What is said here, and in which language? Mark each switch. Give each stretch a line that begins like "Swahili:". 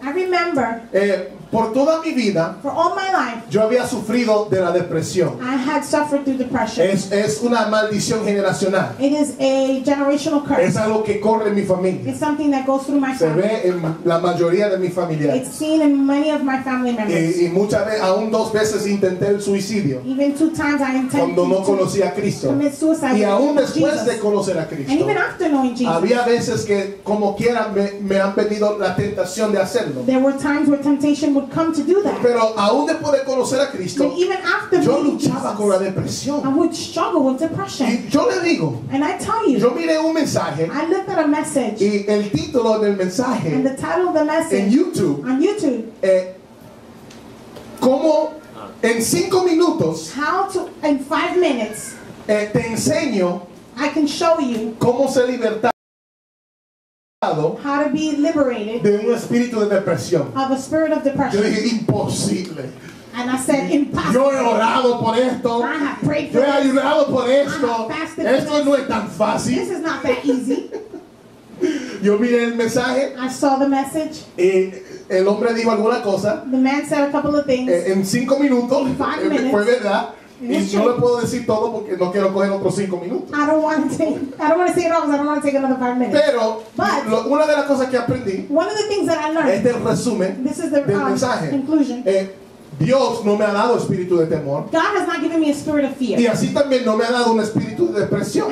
English: I remember,
Spanish: por toda mi vida,
English: for all my life,
Spanish: yo había sufrido de la depresión.
English: I had suffered through depression.
Spanish: Es una maldición generacional.
English: It is a generational curse.
Spanish: Es algo que corre en mi familia.
English: It's something that goes through my
Spanish: family. Se ve en la mayoría de mi familia.
English: It's seen in many of my family members.
Spanish: Y muchas veces, aún dos veces intenté el suicidio.
English: Even two times I intended
Spanish: cuando no conocí a Cristo.
English: Commit suicide.
Spanish: Y aún después de conocer a Cristo.
English: And even after knowing Jesus.
Spanish: Había veces que, como quiera, me han venido la tentación de hacerlo.
English: There were times where temptation would come to do that.
Spanish: Pero aún después de conocer a Cristo,
English: but even after
Spanish: yo luchaba con la depresión.
English: I would struggle with depression.
Spanish: Y yo le digo,
English: and I tell you,
Spanish: yo miré un mensaje,
English: I looked at a message,
Spanish: y el título del mensaje,
English: and the title of the message,
Spanish: en YouTube,
English: on YouTube,
Spanish: cómo en 5 minutos,
English: how to, in 5 minutes,
Spanish: te enseño,
English: I can show you,
Spanish: cómo se liberta.
English: How to be liberated
Spanish: de un espíritu de depresión.
English: Of a spirit of depression.
Spanish: Yo dije, imposible.
English: And I said, impossible.
Spanish: Yo he orado por esto.
English: I have prayed for
Spanish: this. Yo he ayunado por esto.
English: I have fasted for this.
Spanish: Esto no es tan fácil.
English: This is not that easy.
Spanish: Yo miré el mensaje.
English: I saw the message.
Spanish: Y el hombre dijo alguna cosa.
English: The man said a couple of things.
Spanish: En 5 minutos.
English: In 5 minutes.
Spanish: Fue verdad. Y yo le puedo decir todo porque no quiero coger otros 5 minutos.
English: I don't want to say it all because I don't want to take another 5 minutes.
Spanish: Pero
English: but,
Spanish: una de las cosas que aprendí,
English: one of the things that I learned,
Spanish: es el resumen,
English: this is the,
Spanish: del mensaje,
English: conclusion.
Spanish: Dios no me ha dado espíritu de temor.
English: God has not given me a spirit of fear.
Spanish: Y así también no me ha dado un espíritu de depresión.